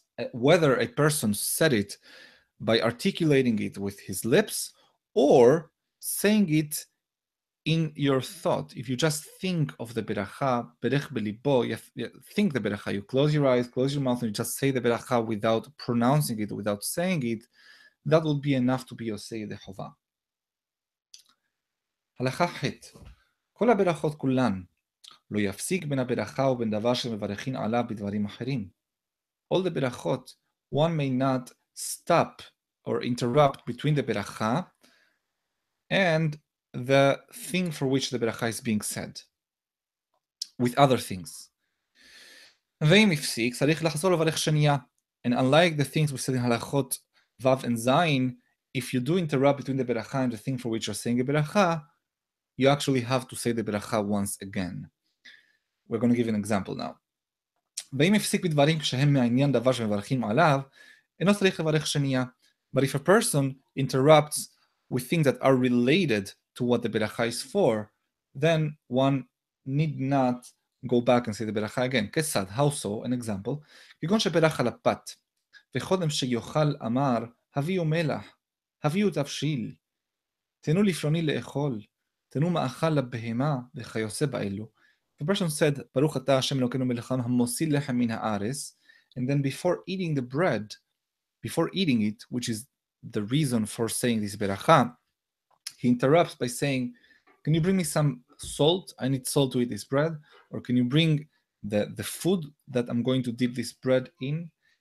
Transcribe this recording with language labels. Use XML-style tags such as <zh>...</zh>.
<en>Whether a person said it by articulating it with his lips or saying it in your thought. If you just think of the beracha, berach belibo, think the beracha, you close your eyes, close your mouth, and you just say the beracha without pronouncing it, without saying it, that would be enough to be osei dechova.</en> <he>הלכה חטא, כל הברכות כולן, לא יפסיק בין הברכה ובין דבר שמברכים עליו בדברים אחרים.</he> <en>All the ברכות, one may not stop or interrupt between the ברכה and the thing for which the ברכה is being said, with other things.</en> <he>ואם יפסיק, צריך לחזור לברך שנייה.</he> <en>And unlike the things we said in הלכות וו and זין, if you do interrupt between the ברכה and the thing for which you're saying a ברכה, you actually have to say the beracha once again. We're going to give an example now.</en> <he>ואם יפסיק בדברים כשהם מעניין דבר שמברכים עליו, אינו צריך לברך שנייה.</he> <en>But if a person interrupts with things that are related to what the beracha is for, then one need not go back and say the beracha again. כסד, how so, an example.</en> <he>כגון שברך על הפת, וחודם שיוכל אמר, הביאו מלח, הביאו תבשיל, תנו לפרוני לאכול, תנו מאכל לבהמה וכיוסה באלו.</he> <en>The person said,</en> <he>ברוך אתה השם אלוקינו מלחם המוסיל לחם מן הארץ.</he> <en>And then before eating the bread, before eating it, which is the reason for saying this beracha, he interrupts by saying, can you bring me some salt? I need salt to eat this bread. Or can you bring the food that I'm going to dip this bread in?</en>